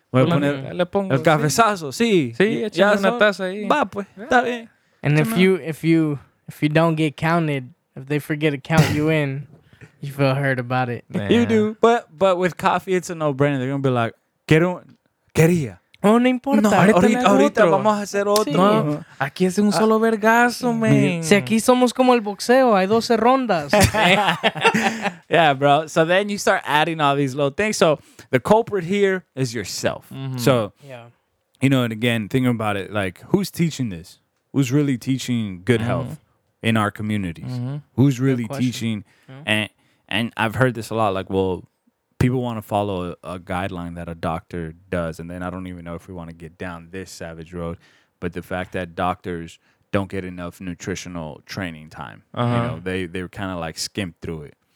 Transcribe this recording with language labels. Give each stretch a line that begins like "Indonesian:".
Spanish: El cafezazo, sí. Sí, echame una taza ahí. Va, pues, está bien.
English: And if you don't get counted, if they forget to count you in, you feel hurt about it. Man. You do. But with coffee, it's a no-brainer. They're going to be like, quería.
Spanish: Oh, no importa. No, ahorita vamos a hacer otro. Sí. No, aquí es un solo vergazo, man. Si aquí somos como el boxeo, hay 12 rondas.
English: Yeah, bro. So then you start adding all these little things. So the culprit here is yourself. Mm-hmm. So, yeah. You know, and again, thinking about it, like, who's teaching this? Who's really teaching good health in our communities? Mm-hmm. Who's really teaching? Yeah. And I've heard this a lot, like, well, people want to follow a guideline that a doctor does, and then I don't even know if we want to get down this savage road, but the fact that doctors don't get enough nutritional training time, you know, they kind of like skimp through it.